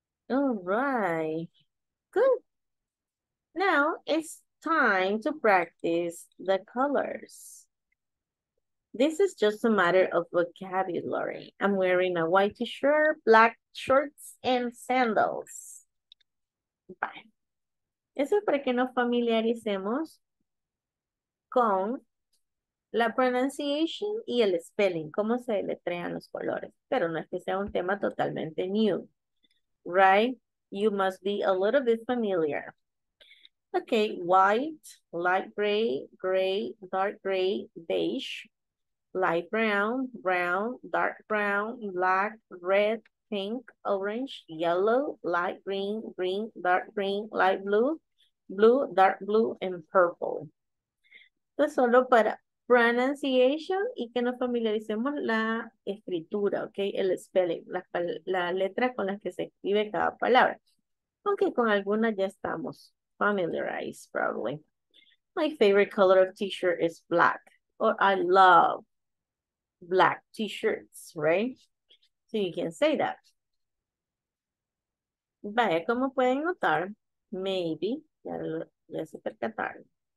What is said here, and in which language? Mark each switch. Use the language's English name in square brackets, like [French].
[English] All right. Good. Now it's time to practice the colors. This is just a matter of vocabulary. I'm wearing a white t-shirt, black shorts, and sandals. Bye. [Spanish] Eso es para que nos familiaricemos con la pronunciation y el spelling, cómo se deletrean los colores. Pero no es que sea un tema totalmente new, right? [English] You must be a little bit familiar. Okay, white, light gray, gray, dark gray, beige, light brown, brown, dark brown, black, red, pink, orange, yellow, light green, green, dark green, light blue, blue, dark blue, and purple. [Spanish] Esto es solo para pronunciation y que nos familiaricemos la escritura, okay? El spelling, la letra con la que se escribe cada palabra. Aunque con alguna ya estamos [English] familiarized, probably. My favorite color of t-shirt is black. Or I love black t-shirts, right? So you can say that. [Spanish] Vaya, como pueden notar, maybe, ya se percataron.